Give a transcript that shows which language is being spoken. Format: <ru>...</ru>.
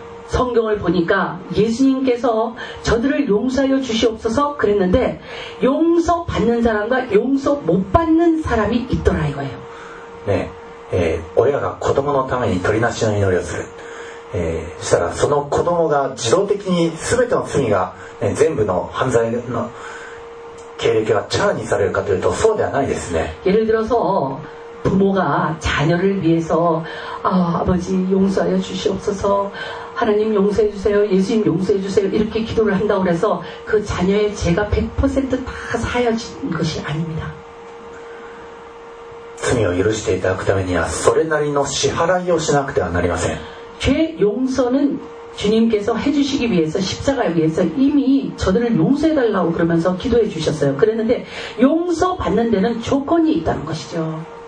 <ko>성경을보니까예수님께서저들을용서하여주시옵소서그랬는데용서받는사람과용서못받는사람이있더라이거예요</ko> <ja>네親が子供のために取りなしの祈りをするしたらその子供が自動的に全ての罪が、ね、全部の犯罪の経歴がチャラにされるかというとそうではないですね。</ja> <ko>예를들어서부모가자녀를위해서 아버지용서하여주시옵소서하나님용서해주세요예수님용서해주세요이렇게기도를한다고해서그자녀의죄가 100% 다사여진것이아닙니다</ko> <ja>罪を許していただくためにはそれなりの支払いをしなくてはなりません。</ja> <ko>죄용서는주님께서해주시기위해서십자가위해서이미저들을용서해달라고그러면서기도해주셨어요그랬는데용서받는데는조건이있다는것이죠</ko>